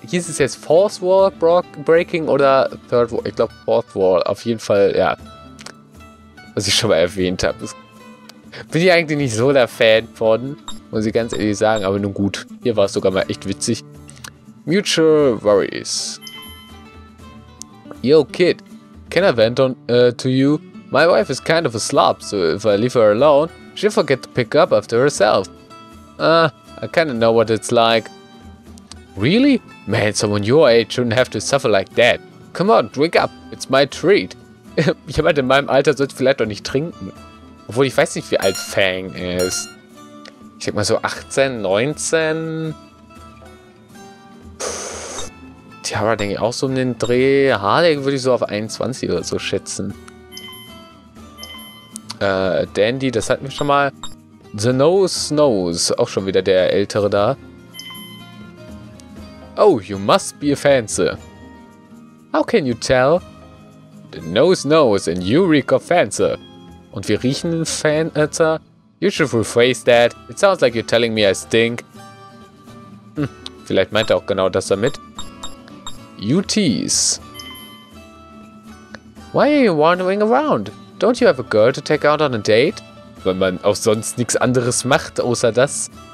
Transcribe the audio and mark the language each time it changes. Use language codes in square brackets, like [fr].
[de] Hieß es jetzt Fourth Wall Breaking oder Third Wall? Ich glaube Fourth Wall. Auf jeden Fall, ja. Was ich schon mal erwähnt habe. Bin ich eigentlich nicht so der Fan von, muss ich ganz ehrlich sagen. Aber nun gut, hier war es sogar mal echt witzig. [en] Mutual Worries. Yo, Kid. Can I vent on to you? My wife is kind of a slob, so if I leave her alone, she'll forget to pick up after herself. I kinda know what it's like. Really? Man, someone your age shouldn't have to suffer like that. Come on, drink up. It's my treat. [de] Jemand in meinem Alter sollte vielleicht doch nicht trinken. Obwohl, ich weiß nicht, wie alt Fang ist. Ich denke mal so 18, 19. Tiara denke ich auch so um den Dreh. Harley würde ich so auf 21 oder so schätzen. Dandy, das hatten wir schon mal. The Nose Knows, auch schon wieder der Ältere da. [en] Oh, you must be a fancy. How can you tell? The Nose Knows and you reek of fancy. [de] Und wir riechen Fancy? [en] You should rephrase that. It sounds like you're telling me I stink. [de] Hm, vielleicht meint er auch genau das damit. [en] You tease. Why are you wandering around? Don't you have a girl to take out on a date? [de] Wenn man auch sonst nichts anderes macht, außer das.